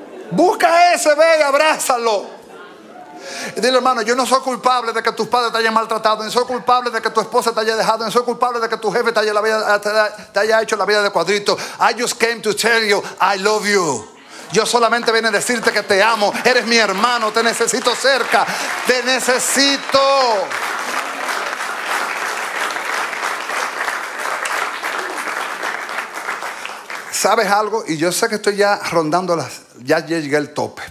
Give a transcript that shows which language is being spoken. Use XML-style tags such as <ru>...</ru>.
<es>Busca ese, ve y abrázalo. Y dile: hermano, yo no soy culpable de que tus padres te hayan maltratado, ni soy culpable de que tu esposa te haya dejado, ni soy culpable de que tu jefe te haya hecho la vida de cuadrito.</es> <en>I just came to tell you I love you.</en> <es>Yo solamente vine a decirte que te amo. Eres mi hermano, te necesito cerca. Te necesito. ¿Sabes algo? Y yo sé que estoy ya rondando las... Ya llegué al tope.</es>